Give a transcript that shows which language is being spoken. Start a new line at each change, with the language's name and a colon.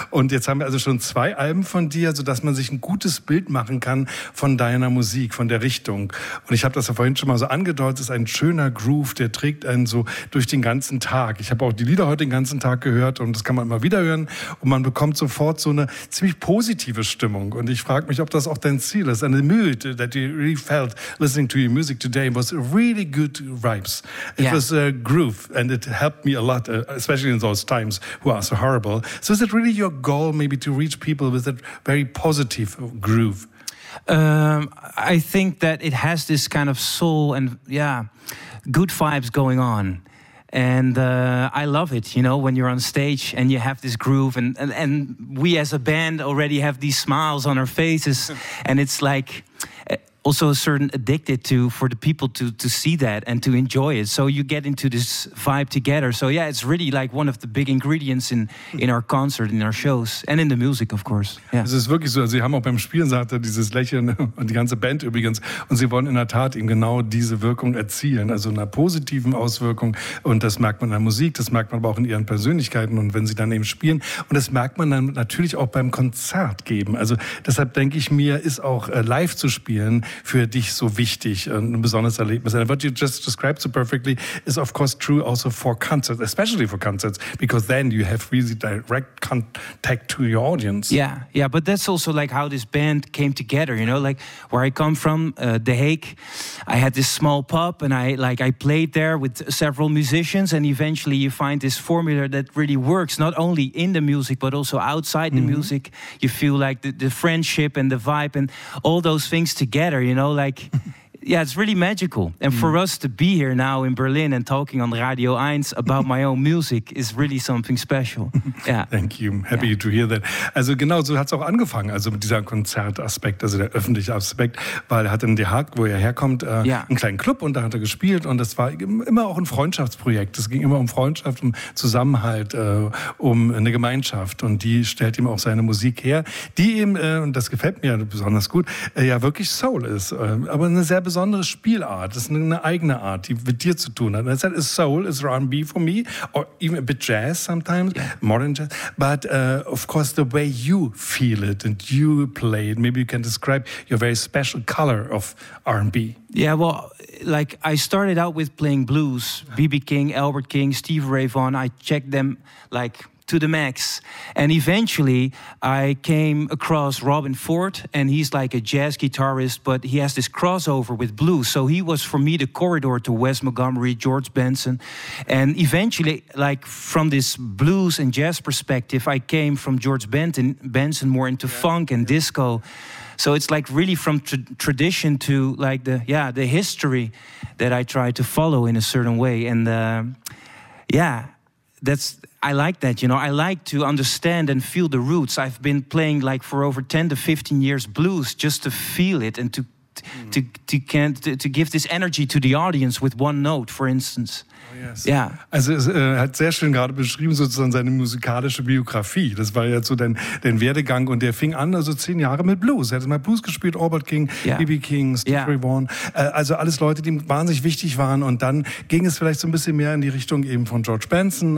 German: Und jetzt haben wir also schon 2 Alben von dir, sodass man sich ein gutes Bild machen kann von deiner Musik, von der Richtung. Und ich habe das ja vorhin schon mal so angedeutet, es ist ein schöner Groove, der trägt einen so durch den ganzen Tag. Ich habe auch die Lieder heute den ganzen Tag gehört und das kann man immer wieder hören. Und man bekommt sofort so eine ziemlich positive Stimmung. Und ich frage mich, ob das auch dein Ziel ist.
English: And the mood that you really felt listening to your music today was really good vibes. It yeah. was a groove, and it helped me a lot, especially in those times who are so horrible. So is it really your goal maybe to reach people with a very positive groove? I think that it has this kind of soul and, yeah, good vibes going on. And I love it, you know, when you're on stage and you have this groove. And we as a band already have these smiles on our faces, and it's like... also a certain addicted to for the people to see that and to enjoy it. So you get into this vibe together. So yeah, it's really like one of the big ingredients in our concert, in our shows and in the music, of course. Yeah.
German: Es ist wirklich so, sie haben auch beim Spielen, sagt er, dieses Lächeln und die ganze Band übrigens. Und sie wollen in der Tat eben genau diese Wirkung erzielen, also einer positiven Auswirkung. Und das merkt man in der Musik, das merkt man aber auch in ihren Persönlichkeiten und wenn sie dann eben spielen. Und das merkt man dann natürlich auch beim Konzert geben. Also deshalb denke ich mir, ist auch live zu spielen, für dich so wichtig, ein besonderes Erlebnis.
English: And what you just described so perfectly is of course true also for concerts, especially for concerts, because then you have really direct contact to your audience. Yeah, yeah, but that's also like how this band came together, you know, like where I come from, The Hague, I had this small pub and I played there with several musicians and eventually you find this formula that really works, not only in the music, but also outside the music. You feel like the friendship and the vibe and all those things together. You know, like, yeah, it's really magical. And for us to be here now in Berlin and talking on Radio 1 about my own music is really something special. Yeah. Thank you. Happy to hear that.
German: Also genau so hat es auch angefangen, also mit diesem Konzertaspekt, also der öffentliche Aspekt, weil er hat in The Hague, wo er herkommt, einen kleinen Club und da hat er gespielt und das war immer auch ein Freundschaftsprojekt. Es ging immer um Freundschaft, um Zusammenhalt, um eine Gemeinschaft und die stellt ihm auch seine Musik her, die ihm, und das gefällt mir besonders gut, ja wirklich Soul ist, aber eine sehr besondere Spielart, das ist eine eigene Art, die mit dir zu tun hat.
English: Is soul, is R&B for me, or even a bit jazz sometimes, yeah. Modern jazz, but of course the way you feel it and you play it, maybe you can describe your very special color of R&B. Yeah, well, like I started out with playing blues, B.B. King, Albert King, Steve Ray Vaughan, I checked them like to the max. And eventually I came across Robin Ford and he's like a jazz guitarist, but he has this crossover with blues. So he was for me the corridor to Wes Montgomery, George Benson. And eventually, like from this blues and jazz perspective, I came from George Benson more into funk and disco. So it's like really from tradition to like the history that I try to follow in a certain way. And I like that, you know. I like to understand and feel the roots. I've been playing like for over 10 to 15 years blues just to feel it and to give this energy to the audience with one note, for instance. Yes. Yeah.
German: Also er hat sehr schön gerade beschrieben sozusagen seine musikalische Biografie. Das war ja so dein Werdegang und der fing an also 10 Jahre mit Blues. Er hat mal Blues gespielt, Albert King, B.B. King, Stevie Vaughan. Also alles Leute, die wahnsinnig wichtig waren und dann ging es vielleicht so ein bisschen mehr in die Richtung eben von George Benson.